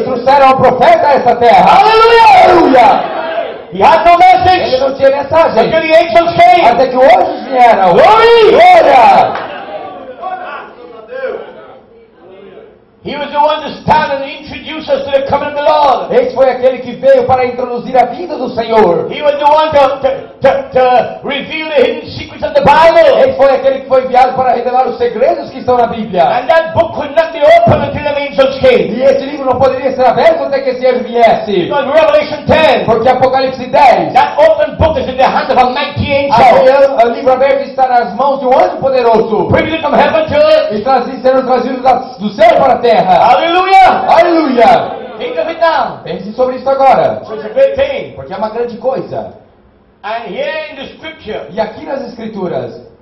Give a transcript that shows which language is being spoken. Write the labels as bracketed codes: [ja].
[pt] E trouxeram ao profeta a essa terra. Aleluia! Aleluia! [en] He had no message. [pt] Ele não tinha mensagem. [en] Until the angels came. [pt] Até que os anjos vieram. Glória! Glória! [en] He was the one to stand and introduce us to the coming of the Lord. [pt] Esse foi aquele que veio para introduzir a vinda do Senhor. [en] He was the one to reveal the hidden secrets of the Bible. [pt] Esse foi aquele que foi enviado para revelar os segredos que estão na Bíblia. [en] And that book could not be opened until the angels came. [pt] E esse livro não poderia ser aberto até que esse anjo viesse. [en] Because Revelation 10. [pt] Porque Apocalipse 10. [en] That open book is in the hands of a mighty angel. [pt] O livro aberto está nas mãos de um anjo poderoso. [en] Bringing it from heaven to earth. [pt] E trazendo do céu para a terra. Aleluia! Aleluia! [en] Think of it now. [pt] Pense sobre isso agora. [en] It's a great thing. [pt] Porque é uma grande coisa. [en] And here in the scripture, [pt] e aqui nas escrituras,